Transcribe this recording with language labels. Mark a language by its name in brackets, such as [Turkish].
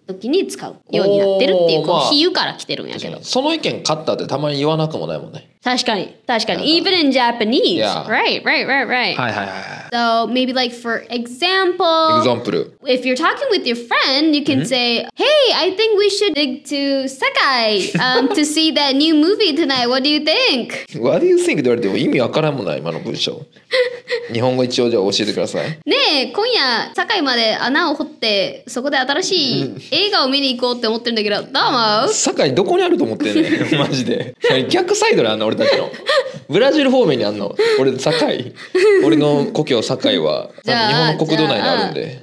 [Japanese] 時に使うようになってるっていう、 こう比喩から来てるんやけど、まあ、その意見買ったってたまに言わなくもないもんね。確かに [English] Even in Japanese、 yeah. Right. [Japanese] はい。 [English] So maybe like for example If you're talking with your friend You can say Hey, I think we should dig to Sakai To see that new movie tonight What do you think? What do you think? [Japanese] って言われても意味わからんもんない今の文章日本語一応じゃあ教えてくださいねえ今夜堺まで穴を掘ってそこで新しい映画を見に行こうって思ってるんだけどどう思う堺どこにあると思ってんねんマジで逆サイドにあんの俺たちのブラジル方面にあんの俺堺俺の故郷堺は日本の国土内にあるんで